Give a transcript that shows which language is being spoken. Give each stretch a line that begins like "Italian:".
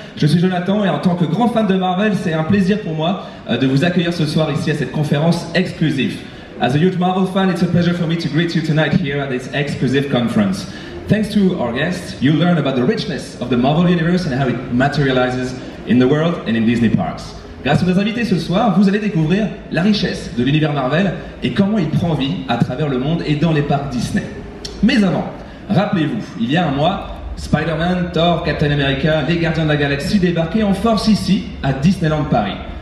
French: Je suis Jonathan et en tant que grand fan de Marvel, c'est un plaisir pour moi de vous accueillir ce soir ici à cette conférence exclusive.
English: As a huge Marvel fan, it's a pleasure for me to greet you tonight here at this exclusive conference. Thanks to our guests, you'll learn about the richness of the Marvel Universe and how it materializes in the world and in Disney parks.
French: Grâce aux invités ce soir, vous allez découvrir la richesse de l'univers Marvel et comment il prend vie à travers le monde et dans les parcs Disney. Mais avant, rappelez-vous, il y a un mois, Spider-Man, Thor, Captain America, les Gardiens de la Galaxie débarquaient en force ici, à Disneyland Paris.